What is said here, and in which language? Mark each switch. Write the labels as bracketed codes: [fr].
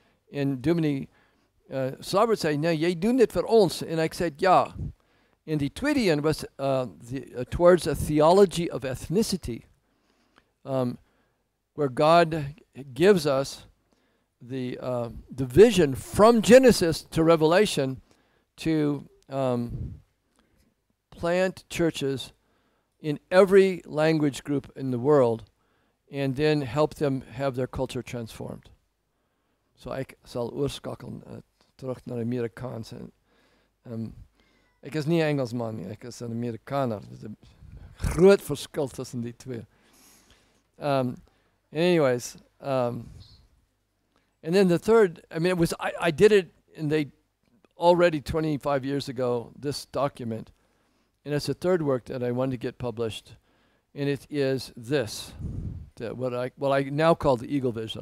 [af] En Domini Slavert sê, nou, jy doen dit vir ons, en ek sê, ja. En die tweede een was [en] towards a theology of ethnicity, where God gives us the vision from Genesis to Revelation to plant churches in every language group in the world, and then help them have their culture transformed. [af] So ek sal oorskakel terug naar Amerikaans. Ek is nie Engelsman nie, ek is een Amerikaner. Dit is een groot verskil tussen die twee. [en] Anyways, and then the third, I mean, it was, I did it, and they already 25 years ago, this document, and it's the third work that I wanted to get published, and it is this, that what I now call the Eagle Vision.